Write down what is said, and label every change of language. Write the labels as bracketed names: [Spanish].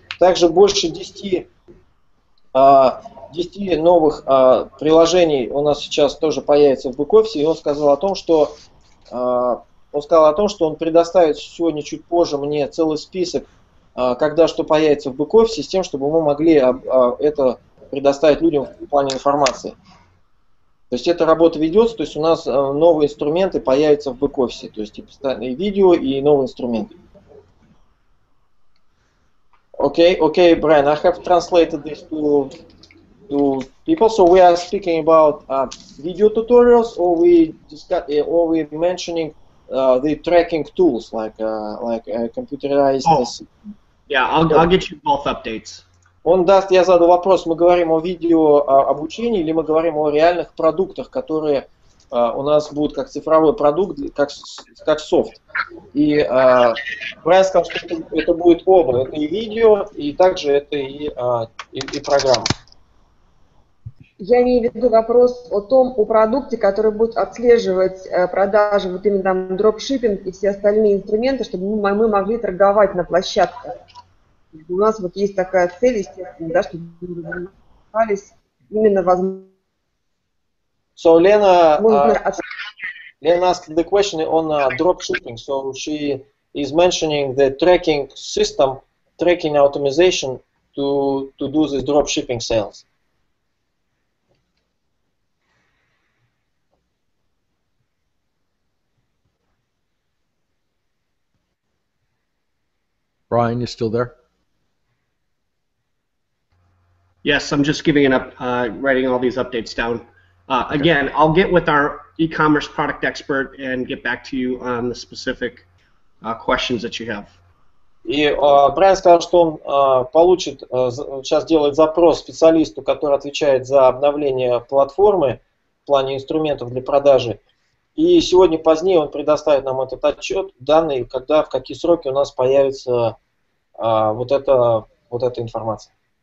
[Russian] Также больше 10 новых приложений у нас сейчас тоже появится в бэк-офисе, и он сказал о том, что он предоставит сегодня чуть позже мне целый список, когда что появится в бэк-офисе, с тем, чтобы мы могли это предоставить людям в плане информации. То есть эта работа ведется, то есть у нас новые инструменты появятся в бэк-офисе, то есть и постоянные видео, и новые инструменты. [English] Okay, Brian, I have translated this to people. So we are speaking about video tutorials, or we mentioning the tracking tools like computerized. I'll get you both updates. [Russian] Он даст, я задал вопрос, мы говорим о видео обучении или мы говорим о реальных продуктах, которые у нас будут как цифровой продукт, как софт. И Брайан сказал, что это будет оба, это и видео, и также это и программа. Я имею в виду вопрос о том, о продукте, который будет отслеживать продажи, вот именно там дропшиппинг и все остальные инструменты, чтобы мы могли торговать на площадке. У нас вот есть такая цель, естественно, да, чтобы мы развивались именно возможно. [English] So, Lena, Lena asked the question on dropshipping. So, she is mentioning the tracking system, tracking optimization to do this dropshipping sales. Brian, you still there? Yes, I'm just giving it up, writing all these updates down. Okay. Again, I'll get with our e-commerce product expert and get back to you on the specific questions that you have. [Russian] И Брайан сказал, что он получит, сейчас делает запрос специалисту, который отвечает за обновление платформы в плане инструментов для продажи. И сегодня позднее он предоставит нам этот отчет, данные, когда, в какие сроки у нас появится вот эта информация.